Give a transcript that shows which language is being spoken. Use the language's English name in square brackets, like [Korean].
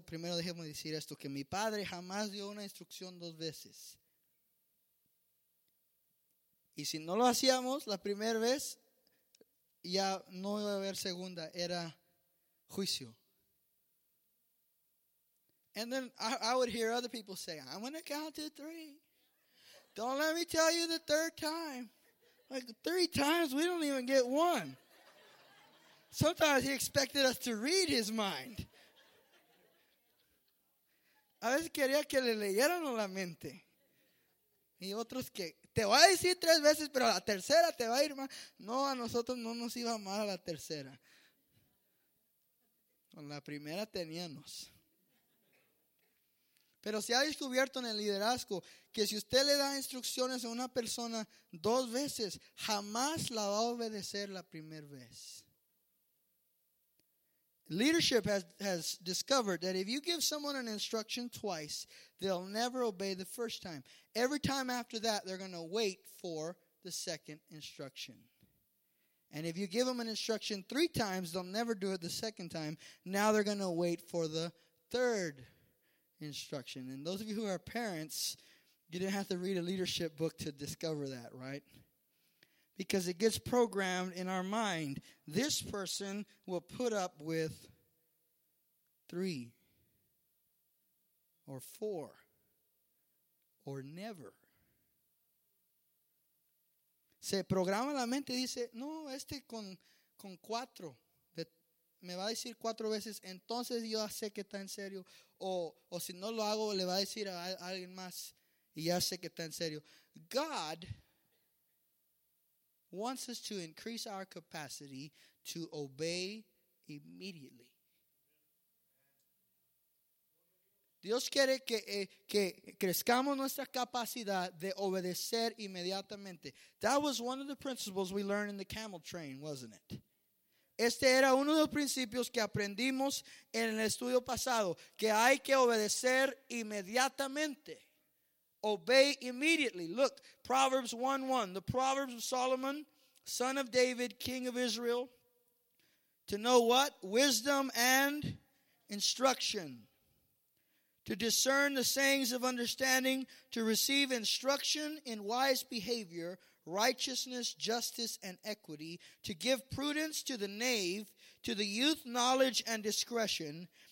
[Spanish] Primero déjeme decir esto, que mi padre jamás dio una instrucción dos veces. Y si no lo hacíamos la primera vez, ya no iba a haber segunda, era juicio. [English] And then I would hear other people say, I'm going to count to three. Don't let me tell you the third time. Like three times, we don't even get one. Sometimes he expected us to read his mind. [Spanish] A veces quería que le leyeran la mente. Y otros que, te voy a decir tres veces, pero la tercera te va a ir mal. No, a nosotros no nos iba mal a la tercera. Con la primera teníamos. Pero se ha descubierto en el liderazgo que si usted le da instrucciones a una persona dos veces, jamás la va a obedecer la primera vez. [English] Leadership has discovered that if you give someone an instruction twice, they'll never obey the first time. Every time after that, they're going to wait for the second instruction. And if you give them an instruction three times, they'll never do it the second time. Now they're going to wait for the third instruction. And those of you who are parents, you didn't have to read a leadership book to discover that, right? Because it gets programmed in our mind. This person will put up with three or four or never. [Spanish] Se programa la mente y dice, no, este con cuatro. Me va a decir cuatro veces, entonces yo ya sé que está en serio. O si no lo hago, le va a decir a alguien más y ya sé que está en serio. [English] God wants us to increase our capacity to obey immediately. [Spanish] Dios quiere que crezcamos nuestra capacidad de obedecer inmediatamente. [English] That was one of the principles we learned in the camel train, wasn't it? [Spanish] Este era uno de los principios que aprendimos en el estudio pasado, que hay que obedecer inmediatamente. [English] Obey immediately. Look, Proverbs 1:1, the Proverbs of Solomon, son of David, king of Israel, to know what? Wisdom and instruction. To discern the sayings of understanding, to receive instruction in wise behavior, righteousness, justice, and equity, to give prudence to the knave, to the youth knowledge and discretion.